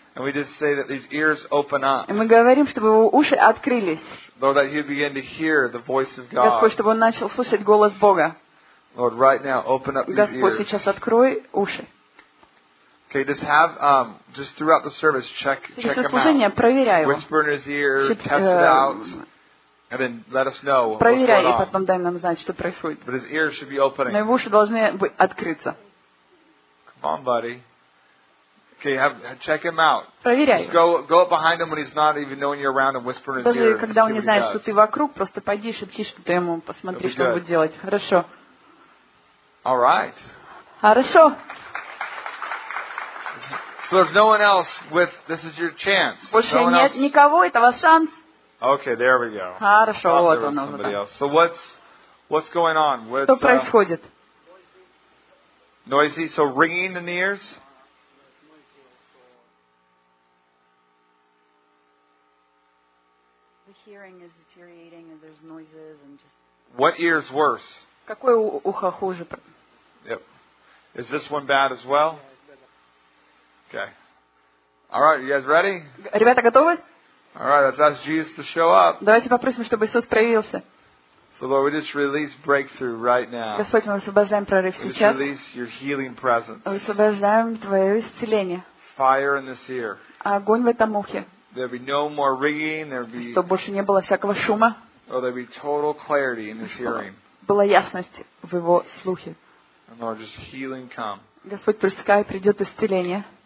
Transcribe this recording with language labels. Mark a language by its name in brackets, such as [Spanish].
[English] And we just say that these ears open up. [Russian] И мы говорим, чтобы его уши открылись. [English] Lord, that he begin to hear the voice of God. [Russian] Господь, чтобы он начал слышать голос Бога. [English] Lord, right now, open up these ears. [Russian] Господь, сейчас открой уши. [English] Okay, just have just throughout the service, check him out. [Russian] Служение, проверяй его. [English] Whisper in his ear, test it out, and then let us know. [Russian] Проверяй и потом дай нам знать, что происходит. [English] But his ears should be opening. [Russian] Но его уши должны открыться. [English] Come on, buddy. Okay, check him out. [Russian] Проверяй. [English] Just go up behind him when he's not even knowing you're around and whisper in his ear. [Russian] Даже когда он не знает, что ты вокруг, просто пойди, шепчи что-то ему, посмотри, что он будет делать. Хорошо. [English] All right. [Russian] Хорошо. [English] So there's no one else with. This is your chance. [Russian] Больше нет никого, это ваш шанс. [English] Okay, there we go. [Russian] Хорошо, вот он уже. [English] So what's going on? [Russian] Что происходит? [English] Noisy. So ringing in the ears. Hearing is deteriorating and there's noises and just what ear is worse? [Russian] Какое ухо хуже? [English] Yep. Is this one bad as well? Okay. All right, you guys ready? [Russian] Ребята готовы? [English] All right, let's ask Jesus to show up. [Russian] Давайте попросим, чтобы Иисус проявился. [English] So Lord, we just release breakthrough right now. [Russian] Господь, мы освобождаем прорыв сейчас. [English] Release your healing presence. [Russian] Мы освобождаем твое исцеление. [English] Fire in this ear. [Russian] Огонь в этом ухе. [English] There'd be no more ringing. There'd be. [Russian] Чтобы больше не было всякого шума. [English] Oh, there'd be total clarity in his hearing. [Russian] Была ясность в его слухе. [English] And Lord, just healing come. [Russian] Господь, пускай придет исцеление.